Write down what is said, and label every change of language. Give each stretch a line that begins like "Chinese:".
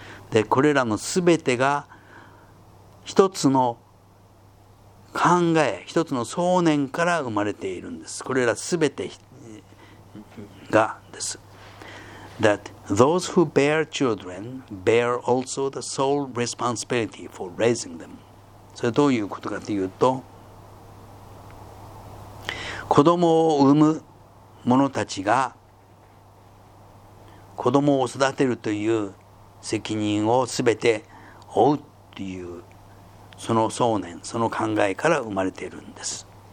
Japanese: で、これらのすべてが一つの考え、一つの想念から生まれているんです。これらすべてがです。
English: That those who bear children bear also the sole responsibility for raising them.
Japanese: それどういうことかというと、子供を産む者たちが子供を育てるという責任をすべて負うというその想念、その考えから生まれているんです。